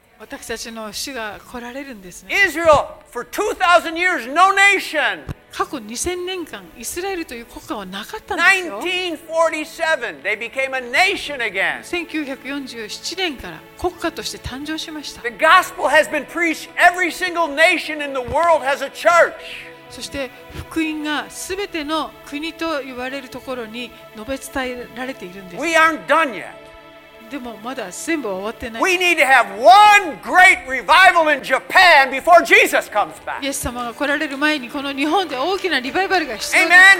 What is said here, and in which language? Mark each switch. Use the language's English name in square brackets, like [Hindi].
[Japanese] 私たちの主が来られるんですね。 [English] Israel, for 2,000 years, no nation. [Japanese] 過去2000年間、イスラエルという国家はなかったんです [English] よ。1947, they became a nation again. [Japanese] 1947年から国家として誕生しました。 [English] The gospel has been preached. Every single nation in the world has a church. [Japanese] そして福音がすべての国と言われるところに述べ伝えられているんです。 [English] We aren't done yet. [Japanese] でもまだ全部終わってない。 [English] We need to have one great revival in Japan before Jesus comes back. [Japanese] イエス様が来られる前にこの日本で大きなリバイバルが必要です。